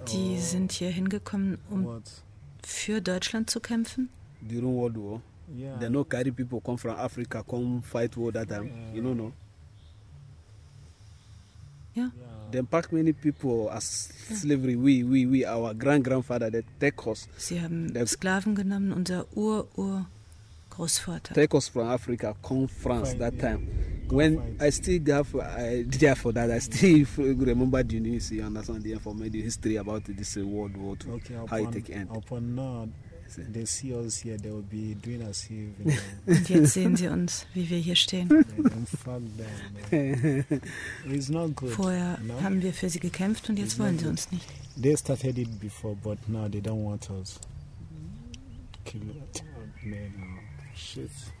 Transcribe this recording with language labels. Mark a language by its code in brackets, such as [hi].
[de] Die sind hier hingekommen, um für Deutschland zu kämpfen. [en] During World War, they know carry people come from Africa, come fight war that time. Yeah. You know, no. Yeah. They pack many people as slavery. We, our grandfather, they take us. [de] Sie haben Sklaven genommen, unser Großvater. [en] Take us from Africa, come France fight, that time. When I still there for that, I still remember the news, you understand, the information, the history about this World War II, how it take end. Upon now, they see us here, they will be doing as if, [de] Und jetzt sehen sie uns, wie wir hier stehen. [en] It's not good. [de] Vorher haben wir für sie gekämpft und jetzt wollen sie uns nicht. [en] They started it before, but now they don't want us. Shit.